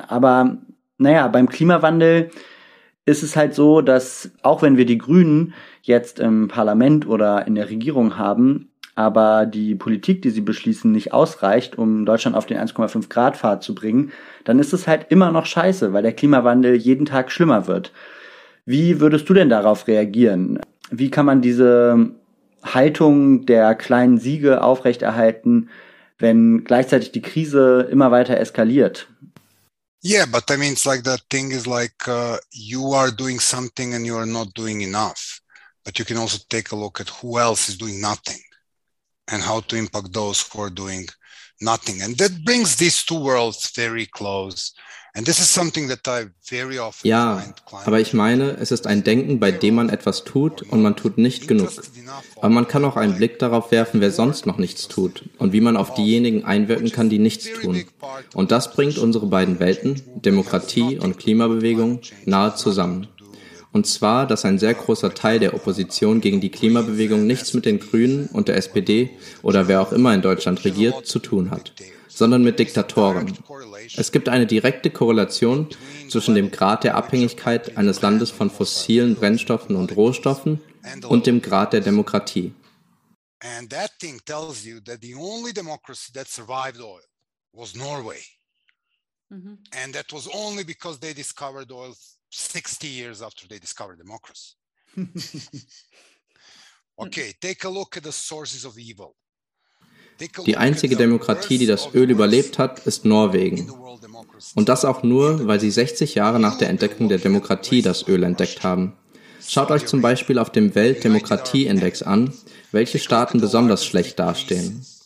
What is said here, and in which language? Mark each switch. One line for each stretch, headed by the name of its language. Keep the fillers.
German: Aber naja, beim Klimawandel ist es halt so, dass auch wenn wir die Grünen jetzt im Parlament oder in der Regierung haben, aber die Politik, die sie beschließen, nicht ausreicht, um Deutschland auf den 1,5 Grad Pfad zu bringen, dann ist es halt immer noch scheiße, weil der Klimawandel jeden Tag schlimmer wird. Wie würdest du denn darauf reagieren? Wie kann man diese Haltung der kleinen Siege aufrechterhalten, wenn gleichzeitig die Krise immer weiter eskaliert?
English: Yeah, but I mean, it's like that thing is like uh, you are doing something and you are not doing enough. But you can also take a look at who else is doing nothing. and how to impact those who are doing nothing. And that brings these two worlds very close. And this is something that I very often
German: ja, aber ich meine, es ist ein Denken, bei dem man etwas tut und man tut nicht genug. Aber man kann auch einen Blick darauf werfen, wer sonst noch nichts tut und wie man auf diejenigen einwirken kann, die nichts tun. Und das bringt unsere beiden Welten, Demokratie und Klimabewegung, nahe zusammen. Und zwar, dass ein sehr großer Teil der Opposition gegen die Klimabewegung nichts mit den Grünen und der SPD oder wer auch immer in Deutschland regiert zu tun hat, sondern mit Diktatoren. Es gibt eine direkte Korrelation zwischen dem Grad der Abhängigkeit eines Landes von fossilen Brennstoffen und Rohstoffen und dem Grad der Demokratie.
English: And that thing tells you that the only democracy that survived oil was Norway. Mm-hmm. And that was only because they discovered oil 60 years after they discovered democracy. okay, take a look at the sources of evil.
German: Die einzige Demokratie, die das Öl überlebt hat, ist Norwegen. Und das auch nur, weil sie 60 Jahre nach der Entdeckung der Demokratie das Öl entdeckt haben. Schaut euch zum Beispiel auf dem Weltdemokratieindex an, welche Staaten besonders schlecht dastehen.